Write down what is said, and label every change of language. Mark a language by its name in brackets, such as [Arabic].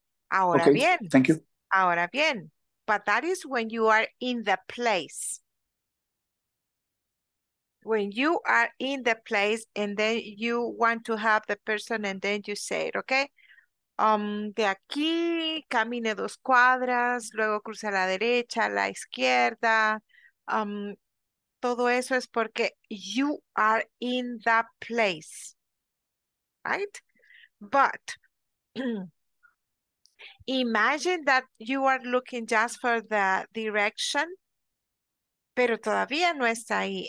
[Spanish] Ahora okay. Bien. [English] Thank you. [Spanish] Ahora bien, [English] but that is when you are in the place. When you are in the place and then you want to help the person and then you say it, okay? [Spanish] De aquí, camine dos cuadras, luego cruce a la derecha, a la izquierda. Todo eso es porque [English] you are in the place, right? But... imagine that you are looking just for the direction, [Spanish] pero todavía no está ahí.